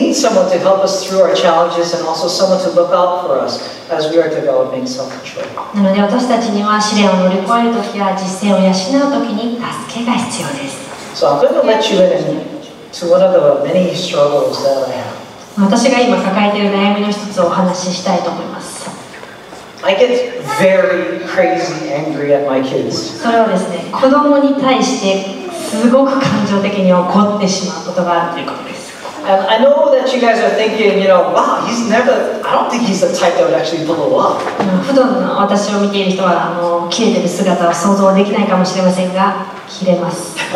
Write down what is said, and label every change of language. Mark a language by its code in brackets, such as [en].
[en] need someone to help us through our challenges and also someone to look out for us as we are developing self-control. [ja] なので私たちには試練を乗り越える時や実践を養う時に助けが必要です。 [en] So I'm going to let you in to one of the many struggles that I have. [ja] 私が今抱えている悩みの一つをお話ししたいと思います。 [en] I get very crazy angry at my kids. [ja] それはですね、子供に対してすごく感情的に怒ってしまうことがあるということです。 [en] And I know that you guys are thinking, you know, wow, he's never, I don't think he's the type that would actually blow up. [ja] 普段の私を見ている人は、切れてる姿は想像できないかもしれませんが、切れます。